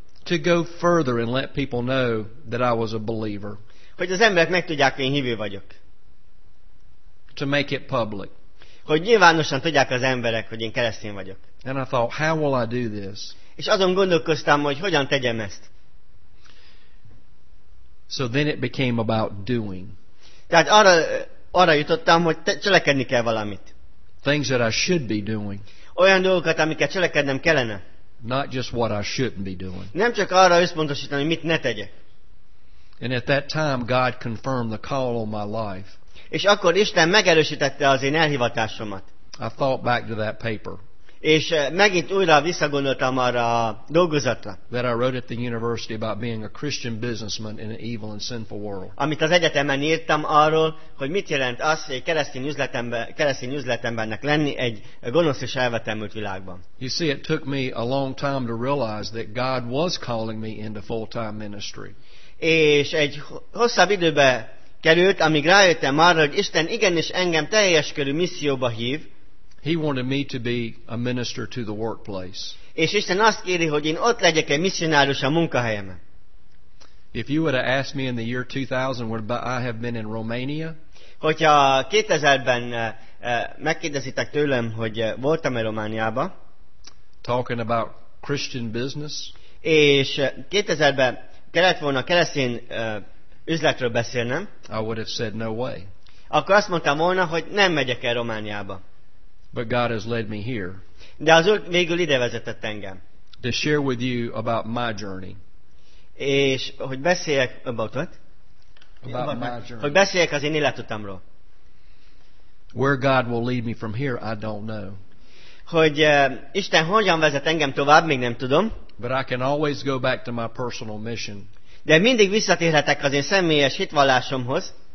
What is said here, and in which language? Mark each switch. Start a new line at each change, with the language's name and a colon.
English: To go further and let people know that I was a believer.
Hungarian: Hogy az emberek megtudják, hogy én hívő vagyok.
English: To make it public.
Hungarian: Hogy nyilvánosan tudják az emberek, hogy én keresztény vagyok.
English: And I thought, how will I do this?
Hungarian: És azon gondolkoztam, hogy hogyan tegyem ezt.
English: So then it became about doing.
Hungarian: Tehát arra jutottam, hogy cselekedni kell valamit.
English: Things that I should be doing.
Hungarian: Olyan dolgokat, amiket cselekednem kellene.
English: Not just what I shouldn't be doing.
Hungarian: Nem csak arra összpontosítani, hogy mit ne tegyek.
English: And at that time, God confirmed the call on my life.
Hungarian: És akkor Isten megerősítette az én elhivatásomat.
English: I thought back to that paper.
Hungarian: És megint újra visszagondoltam arra a dolgozatra.
English: That I wrote at the university about being a Christian businessman in an evil and sinful world.
Hungarian: Amit az egyetemen írtam arról, hogy mit jelent az, hogy keresztény üzletembernek lenni egy gonosz és elvetemült világban.
English: You see, it took me a long time to realize that God was calling me into full-time ministry.
Hungarian: És egy hosszabb időbe került, amíg rájöttem arra, hogy Isten igenis engem teljes körű misszióba hív.
English: He wanted me to be a minister to the workplace.
Hungarian: És Isten azt kéri, hogy én ott legyek egy misszionárus a munkahelyemen.
English: If you would have asked me in the year 2000 would I have been in Romania?
Hungarian: Hogyha 2000-ben megkérdezitek tőlem, hogy voltam-e Romániában?
English: Talking about Christian business.
Hungarian: És 2000-ben kellett volna keresztény üzletről beszélnem.
English: I would have said no way.
Hungarian: Akkor azt mondtam volna, hogy nem megyek el Romániába.
English: But God has led me here.
Hungarian: De az Úr végül ide vezetett engem.
English: To share with you about my journey.
Hungarian: És hogy beszéljek
English: about what? About my journey.
Hungarian: Hogy beszéljek az én életutamról.
English: Where God will lead me from here, I don't know.
Hungarian: Hogy Isten hogyan vezet engem tovább, még nem tudom.
English: But I can always go back to my personal mission.
Hungarian: De mindig visszatérhetek az én személyes hitvallásomhoz.